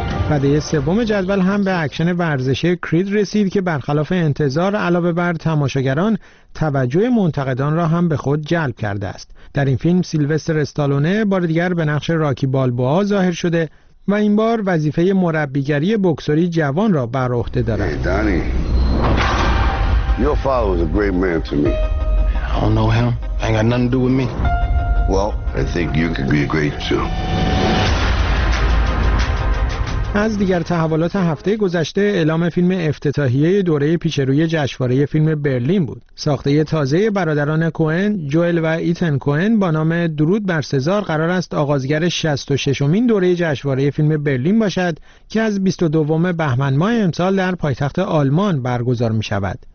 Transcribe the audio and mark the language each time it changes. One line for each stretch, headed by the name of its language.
Persian: و دهه سوم جدول هم به اکشن ورزشی کرید رسید که برخلاف انتظار علاوه بر تماشاگران توجه منتقدان را هم به خود جلب کرده است. در این فیلم سیلوستر استالونه بار دیگر به نقش راکی بالبوا ظاهر شده و این بار وظیفه مربیگری بکسوری جوان را بر عهده دارد.
English: Danny, your father was a great man to me. I don't know him. I ain't got nothing to do with me. Well, I think you could be great too.
Persian: از دیگر تحولات هفته گذشته اعلام فیلم افتتاحیه دوره پیشروی جشنواره فیلم برلین بود. ساخته تازه برادران کوئن، جوئل و ایتن کوئن با نام درود بر سزار قرار است آغازگر 66مین دوره جشنواره فیلم برلین باشد که از 22 بهمن ماه امسال در پایتخت آلمان برگزار می شود.